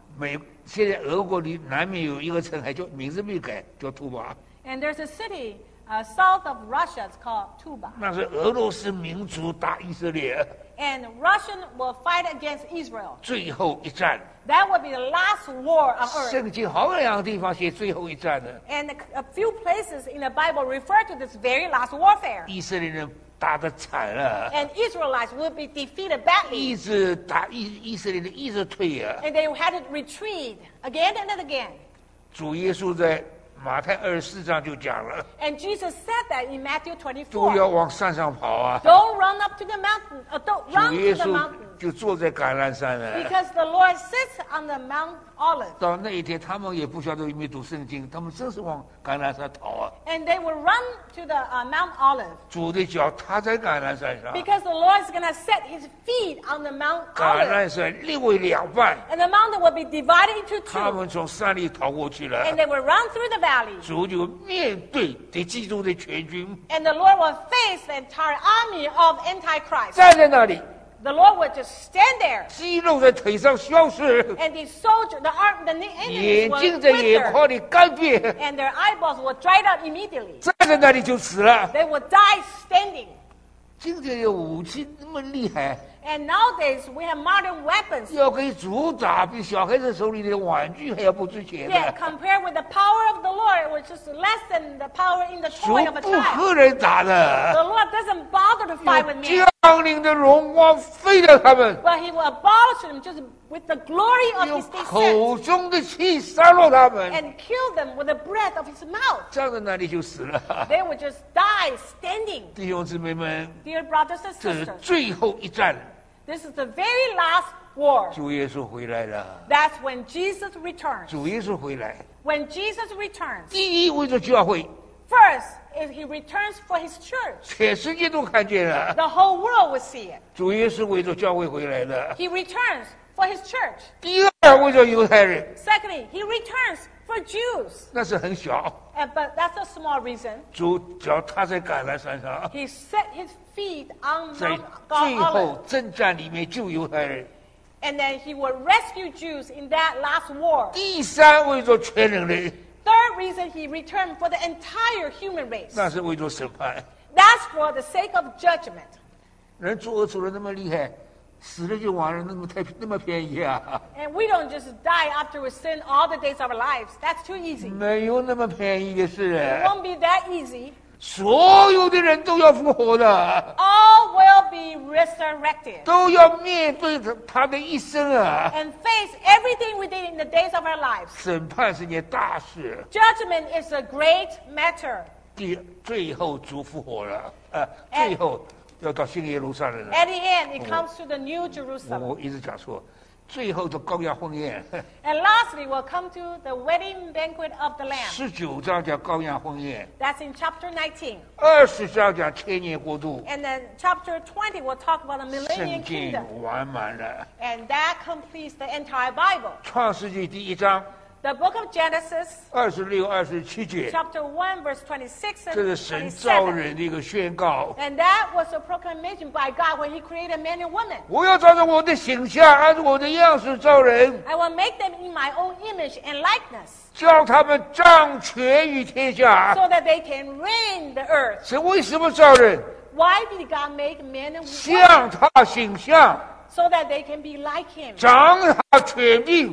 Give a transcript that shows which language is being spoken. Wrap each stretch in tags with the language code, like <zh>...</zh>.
<zh>美现在俄国里南面有一个城，还叫名字没改，叫图巴。</zh> <en>And there's a city, south of Russia, it's called Tuba.</en> <zh>那是俄罗斯民族打以色列。</zh> <en>And Russian will fight against Israel.</en> <zh>最后一战。</zh> <en>That will be the last war of Earth.</en> <zh>圣经好两个地方写最后一战呢。</zh> <en>And a few places in the Bible refer to this very last warfare.</en> <zh>以色列人打得惨了。</zh> <en>And Israelites will be defeated badly.</en> <zh>一直打以色列人一直退啊。</zh> <en>And they had to retreat again and again.</en> <zh>主耶稣在马太24章就讲了。</zh> <en>And Jesus said that in Matthew 24.</en> <zh>都要往山上跑啊。</zh> <en>Don't run up to the mountain. Don't run to the mountain.</en> <zh>主耶稣就坐在橄榄山了。</zh> <en>Because the Lord sits on the Mount Olive.</en> <zh>到那一天，他们也不晓得有没有读圣经，他们真是往橄榄山逃啊。</zh> <en>And they will run to the Mount Olive.</en> <zh>主的脚踏在橄榄山上。</zh> <en>Because the Lord is going to set his feet on the Mount Olive.</en> <zh>橄榄山裂为两半。</zh> <en>And the mountain will be divided into two.</en> <zh>他们从山里逃过去了。</zh> <en>And they will run through the valley.</en> <zh>主就面对敌基督的全军。</zh> <en>And the Lord will face the entire army of Antichrist.</en> <zh>站在那里。</zh> <en>The Lord would just stand there.</en> <zh>肌肉在腿上消失。</zh> <en>And the soldier, the arm, the enemy would wither.</en> <zh>眼睛在眼眶里干瘪。</zh> <en>And their eyeballs would dry up immediately.</en> <zh>站在那里就死了。</zh> <en>They would die standing.</en> <zh>今天有武器那么厉害。</zh> <en>And nowadays we have modern weapons.</en> <zh>要给主打，比小孩子手里的玩具还要不值钱。</zh> <en>Yeah, compared with the power of the Lord, it was just less than the power in the toy of a child.</en> <zh>主不和人打的。</zh> <en>The Lord doesn't bother to fight with men.</en> <zh>降临的荣光飞了他们。</zh> <en>Well, he will abolish them just with the glory of his descent.</en> <zh>用口中的气杀落他们。</zh> <en>And kill them with the breath of his mouth.</en> <zh>站在那里就死了。</zh> <en>They would just die standing.</en> <zh>弟兄姊妹们</zh> <en>，Dear brothers and sisters,</en> <zh>这是最后一战。</zh> <en>This is the very last war.</en> <zh>主耶稣回来了。</zh> <en>That's when Jesus returns.</en> <zh>主耶稣回来。</zh> <en>When Jesus returns.</en> <zh>第一为着教会。</zh> <en>First, if he returns for his church.</en> <zh>全世界都看见了。</zh> <en>The whole world will see it.</en> <zh>主耶稣为着教会回来的。</zh> <en>He returns for his church.</en> <zh>第二为着犹太人。</zh> <en>Secondly, he returns for Jews.</en> <zh>那是很小。</zh> <en>But that's a small reason.</en> <zh>主脚踏在橄榄山上。</zh> <en>He set his feet on Mount Olive.</en> <zh>在最后征战里面救犹太人。</zh> <en>And then he will rescue Jews in that last war.</en> <zh>第三为着全人类。</zh> <en>Third reason he returned for the entire human race.</en> <zh>那是为着审判。</zh> <en>That's for the sake of judgment.</en> <zh>人作恶作得那么厉害。死了就完了，那么便宜啊</zh> <en>！And we don't just die after we sin all the days of our lives. That's too easy.</en> <zh>没有那么便宜的事。</zh> <en>It won't be that easy.</en> <zh>所有的人都要复活的。</zh> <en>All will be resurrected.</en> <zh>都要面对他的一生啊。</zh> <en>And face everything we did in the days of our lives.</en> <zh>审判是件大事。</zh> <en>Judgment is a great matter.</en> <zh>最后主复活了，最后要到新耶路撒冷了。</zh> <en>At the end, it comes to the New Jerusalem.</en> <zh>我一直讲说。最后的羔羊婚宴。</zh> <en>And lastly, we'll come to the wedding banquet of the Lamb.</en> <zh>十九章叫羔羊婚宴。</zh> <en>That's in chapter 19.</en> <zh>二十章讲千年国度。</zh> <en>And then chapter 20, we'll talk about the millennium kingdom.</en> <zh>圣经完满了。</zh> <en>And that completes the entire Bible.</en> <zh>创世纪第一章。</zh> <en>The book of Genesis.</en> <zh>二十六、二十七节。</zh> <en>Chapter 1, verse 26 and</en> <zh>27. 这是神造人的一个宣告。</zh> <en>And that was a proclamation by God when He created man and woman.</en> <zh>我要照着我的形象，按照我的样式造人。</zh> <en>I will make them in my own image and likeness.</en> <zh>叫他们掌权于天下。</zh> <en>So that they can reign the earth.</en> <zh>神为什么造人？</zh> <en>Why did God make man and woman?</en> <zh>像他形象。</zh> <en>So that they can be like Him.</en> <zh>掌他权柄。</zh>